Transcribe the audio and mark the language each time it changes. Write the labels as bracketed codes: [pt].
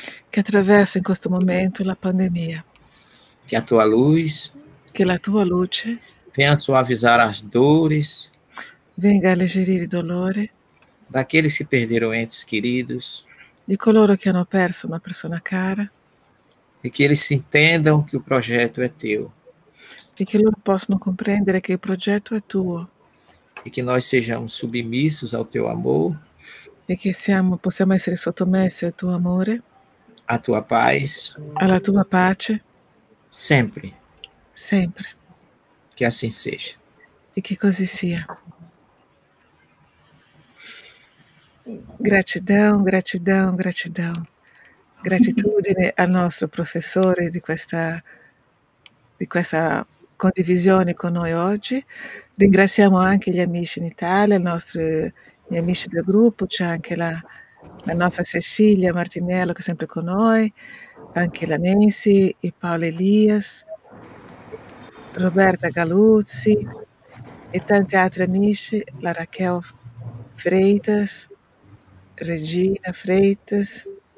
[pt] Que atravessa [it] in questo momento la pandemia. [pt] Que a tua luz. [it] Que la tua luce. [pt] Venha suavizar as dores. [it] Venga a alleggerire il dolore. [pt] Daqueles que perderam entes queridos. [it] Di coloro che hanno perso una persona cara. [pt] E que eles entendam que o projeto é teu. [it] E che loro possano comprendere che il progetto è tuo. [pt] E que nós sejamos submissos ao teu amor. [it] E che siamo, possiamo essere sottomessi al tuo amore. [pt] A tua paz. [it] Alla tua pace. [pt] Sempre. [it] Sempre. [pt] Que assim seja. [it] E che così sia. [pt] Gratidão, gratidão, gratidão. [it] Gratitudine al nostro professore di questa condivisione con noi oggi. Ringraziamo anche gli amici in Italia, gli amici del gruppo, c'è anche la nostra Cecilia Martinello che è sempre con noi, anche la Nancy, e Paolo Elias, Roberta Galuzzi e tanti altri amici, la Raquel Freitas, Regina Freitas,